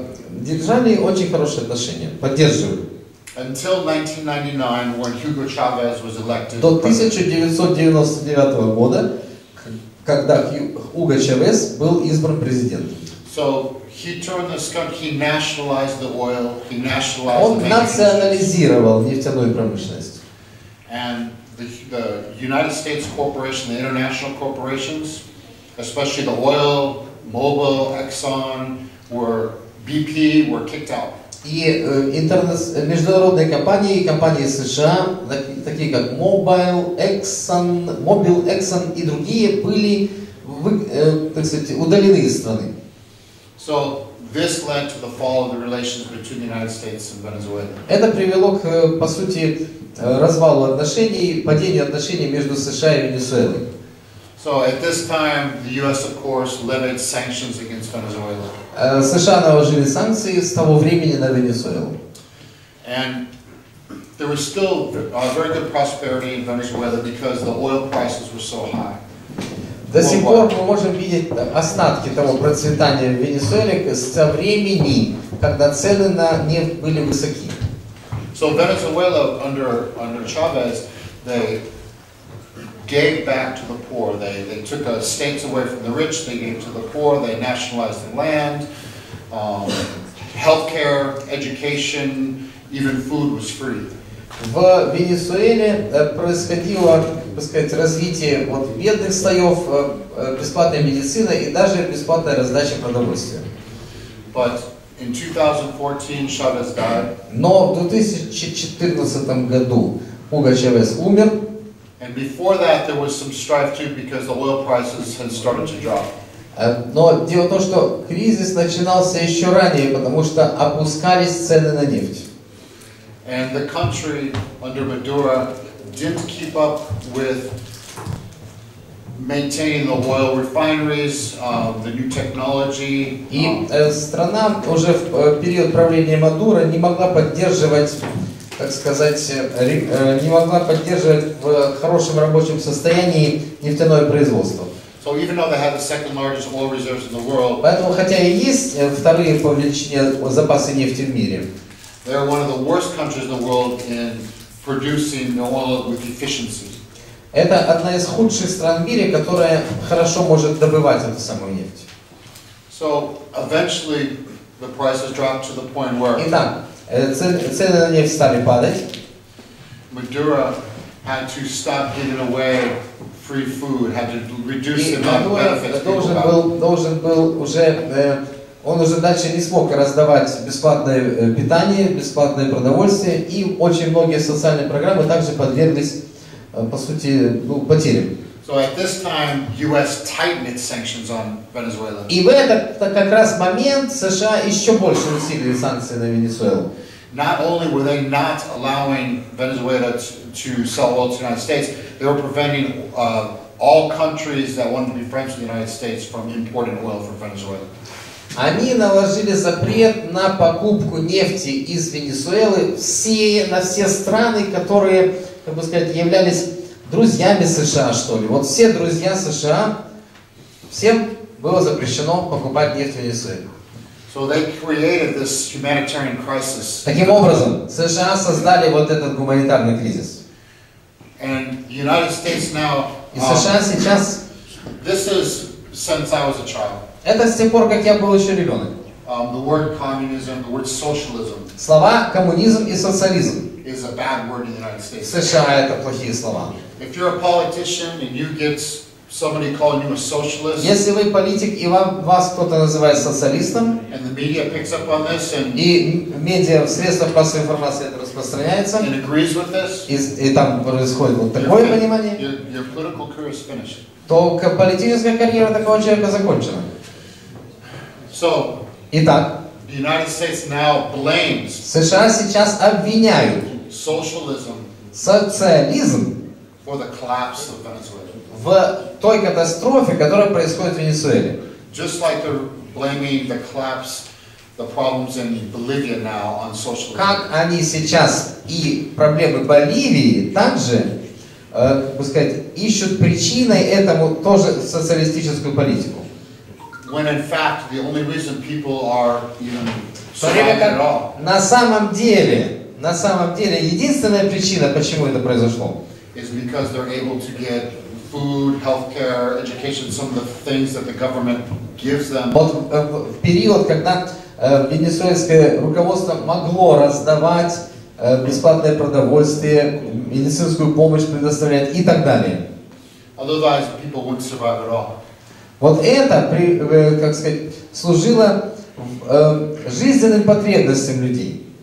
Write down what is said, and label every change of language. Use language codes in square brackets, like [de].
[ru] Держали очень хорошие отношения, поддерживали. [en] Until 1999, when Hugo Chavez was elected. [ru] До 1999 года, когда Хуго Чавес был избран президентом. [en] So he turned the country, he nationalized the oil, he nationalized. [ru] Он национализировал нефтяную промышленность. [en] And the United States corporation, the international corporations, especially the oil, Mobil, Exxon, were BP were kicked out. [ru] И международные компании, компании США, такие как Mobil, Exxon и другие были, так сказать, удалены из страны. [en] So this led to the fall of the relations between the United States and Venezuela. [ru] Это привело к, по сути, развалу отношений, падению отношений между США и Венесуэлой. [en] So at this time, the U.S. of course levied sanctions against Venezuela. [ru] США наложили санкции с того времени на Венесуэлу. [en] And there was still very good prosperity in Venezuela because the oil prices were so high. [ru] До сих пор мы можем видеть остатки того процветания в Венесуэле со времени, когда цены на нефть были высоки. [en] So Venezuela under Chavez, they gave back to the poor. They took the states away from the rich. They gave to the poor. They nationalized the land, healthcare, education, even food was free. [ru] В Венесуэле происходило, так сказать, развитие вот бедных слоев, бесплатная медицина и даже бесплатная раздача продовольствия. [en] But in 2014, Chavez died. [ru] Но в 2014 году Уго Чавес умер. [en] And before that, there was some strife too, because the oil prices had started to drop. [ru] Но дело в том, что кризис начинался еще ранее, потому что опускались цены на нефть. [en] And the country under Maduro didn't keep up with maintaining the oil refineries, the new technology. [ru] И страна уже в период правления Мадуро не могла поддерживать, так сказать, не могла поддерживать в хорошем рабочем состоянии нефтяное производство. [en] So even though they have the second largest oil reserves in the world, [ru] поэтому хотя и есть вторые по величине запасы нефти в мире, [en] they are one of the worst countries in the world in producing oil with efficiency. [ru] Это одна из худших стран в мире, которая хорошо может добывать эту самую нефть. [en] So eventually the prices dropped to the point where. [ru] Итак, цены на нефть стали падать. [en] Maduro had to stop giving away free food, had to reduce the amount of benefits. [ru] Должен был уже он уже дальше не смог раздавать бесплатное питание, бесплатное продовольствие, и очень многие социальные программы также подверглись, по сути, ну, потерям. [en] So at this time, US tightened its sanctions on Venezuela. [ru] И в этот как раз момент США еще больше усилили санкции на Венесуэлу. [en] Not only were they not allowing Venezuela to sell oil to the United States, they were preventing all countries that wanted to be friends with the United States from importing oil from Venezuela. [ru] Они наложили запрет на покупку нефти из Венесуэлы на все страны, которые, как бы сказать, являлись друзьями США, что ли. Вот все друзья США, всем было запрещено покупать нефть в Венесуэле. [en] So they created this humanitarian crisis. [ru] Таким образом, США создали вот этот гуманитарный кризис. [en] And United States now, [ru] и США сейчас... [en] This is since I was a child. [ru] Это с тех пор, как я был еще ребенок. [en] The word communism, the word socialism. [ru] Слова коммунизм и социализм. [en] Is a bad word in the United States. [ru] США это плохие слова. [en] If you're a politician and you get somebody calling you a socialist, [ru] если вы политик и вас кто-то называет социалистом, [en] and the media picks up on this, and [ru] и медиа в средствах массовой информации это распространяется, [en] and agrees with this, [ru] и там происходит вот такое понимание, [en] your political career is finished. [ru] Только политическая карьера такого человека закончена. [en] So, [ru] итак. [en] The United States now blames США сейчас обвиняют социализм for the collapse of Venezuela. [ru] В той катастрофе, которая происходит в Венесуэле. [en] Just like they're blaming the collapse, the problems in Bolivia now on socialism. [ru] Как они сейчас и проблемы Боливии также, сказать, ищут причиной этому тоже социалистическую политику. [en] When in fact the only reason people are even surviving at all. [ru] На самом деле, единственная причина, почему это произошло, [en] is because they're able to get food, healthcare, education, some of the things that the government gives them. [ru] Вот в период, когда венесуэльское руководство могло раздавать бесплатное продовольствие, медицинскую помощь предоставлять и так далее. [en] Otherwise, people wouldn't survive at all. [ru] Вот это, как сказать, служило жизненным потребностям людей.